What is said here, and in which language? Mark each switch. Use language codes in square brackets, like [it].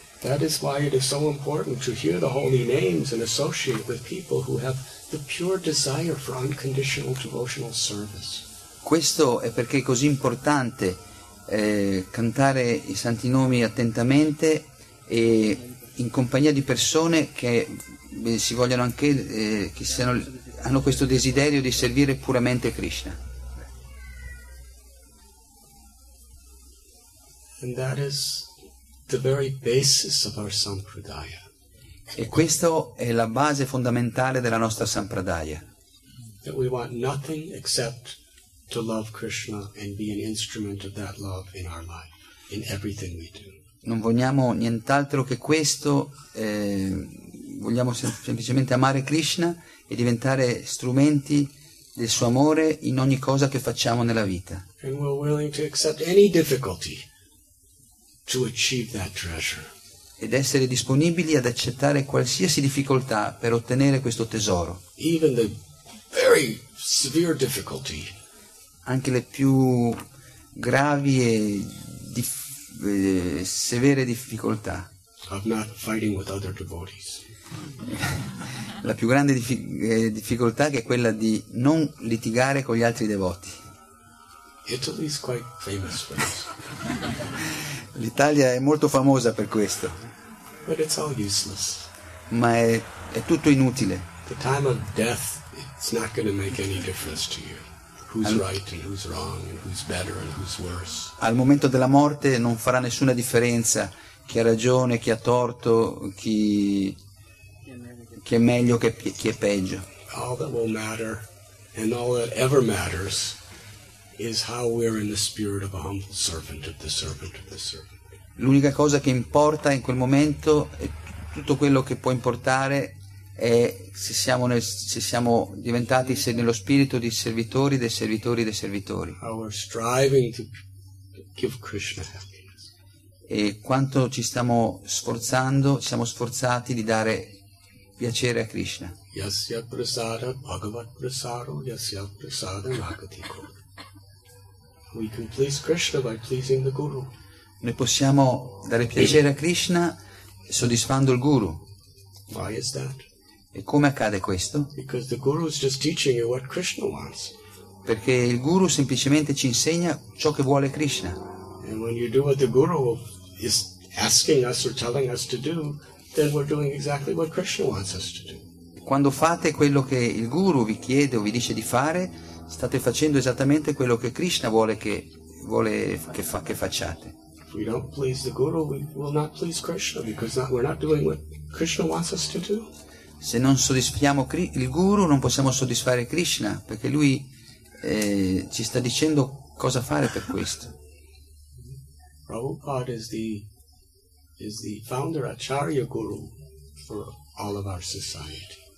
[en] That is why it is so important to hear the holy names and associate with people who have the pure desire for unconditional devotional service. [it] Questo è perché è così importante cantare i santi nomi attentamente e in compagnia di persone che si vogliono anche che siano, hanno questo desiderio di servire puramente Krishna. [en] And that is the very basis of our sampradaya. [it] E questo è la base fondamentale della nostra sampradaya. [en] That we want nothing except to love Krishna and be an instrument of that love in our life, in everything we do. [it] Non vogliamo nient'altro che questo, vogliamo semplicemente amare Krishna e diventare strumenti del suo amore in ogni cosa che facciamo nella vita. [en] And we're willing to accept any difficulty to achieve that treasure. [it] Ed essere disponibili ad accettare qualsiasi difficoltà per ottenere questo tesoro. [en] Even the very severe difficulty. [it] Anche le più gravi e severe difficoltà. [en] Of not fighting with other devotees. [it] La più grande difficoltà che è quella di non litigare con gli altri devoti. [en] Italy is quite famous for this. [it] L'Italia è molto famosa per questo. [en] But it's all useless. [it] Ma è tutto inutile. [en] The time of death, it's not going to make any difference to you. Who's right and who's wrong and who's better and who's worse. [it] Al momento della morte non farà nessuna differenza chi ha ragione, chi ha torto, chi è meglio, chi è peggio. [en] All that will matter and all that ever matters is how we're in the spirit of a humble servant of the servant of the servant. [it] L'unica cosa che importa in quel momento e tutto quello che può importare è se siamo diventati nello spirito di servitori dei servitori dei servitori. [en] How we're striving to give Krishna happiness. [it] E quanto ci stiamo sforzando, siamo sforzati di dare piacere a Krishna. [sa] Yasya prasada bhagavat prasaro yasya prasada magati guru. [en] We can please Krishna by pleasing the guru. [it] Noi possiamo dare piacere a Krishna soddisfando il guru. [en] Why is that? [it] E come accade questo? [en] Because the guru is just teaching you what Krishna wants. [it] Perché il guru semplicemente ci insegna ciò che vuole Krishna. [en] And when you do what the guru is asking us or telling us to do, then we're doing exactly what Krishna wants us to do. [it] Quando fate quello che il guru vi chiede o vi dice di fare, state facendo esattamente quello che Krishna vuole che facciate. [en] If we don't please the guru, we will not please Krishna, because we're not doing what Krishna wants us to do. [it] Se non soddisfiamo il guru, non possiamo soddisfare Krishna, perché lui ci sta dicendo cosa fare per questo. [en] Prabhupada is the founder acharya guru for all of our society.